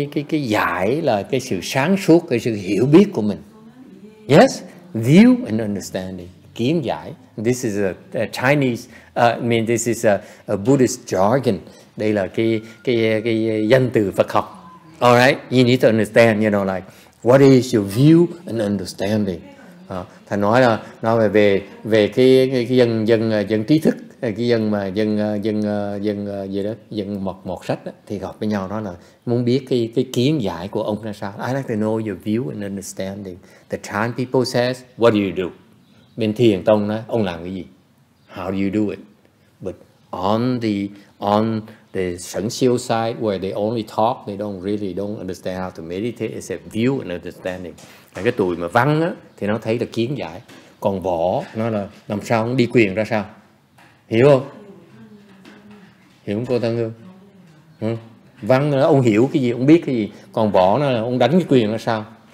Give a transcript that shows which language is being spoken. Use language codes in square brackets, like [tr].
[vi] Cái giải là cái sự sáng suốt, cái sự hiểu biết của mình. [en] Yes, view and understanding. Kiến giải. This is a Chinese. This is a Buddhist jargon. [vi] Đây là cái danh từ Phật học. [en] All right. You need to understand. You know, like what is your view and understanding? [vi] Thầy nói là nói về về cái dân trí thức, dân mọt sách đó, thì gặp với nhau đó là muốn biết cái kiến giải của ông ra sao. [en] I like to know your view and understanding. The Chan people says, what do you do? [vi] Bên Thiền Tông nói, ông làm cái gì? [en] How do you do it? But on the Sẩn Siêu side, where they only talk, they don't really understand how to meditate, it's a view and understanding. [vi] Là cái tụi mà văn á, thì nó thấy là kiến giải. Còn võ, nó là làm sao ông đi quyền ra sao? Hiểu không? Hiểu không cô Tân Hương? Văn nó ông hiểu cái gì, ông biết cái gì. Còn võ nó là ông đánh cái quyền ra sao?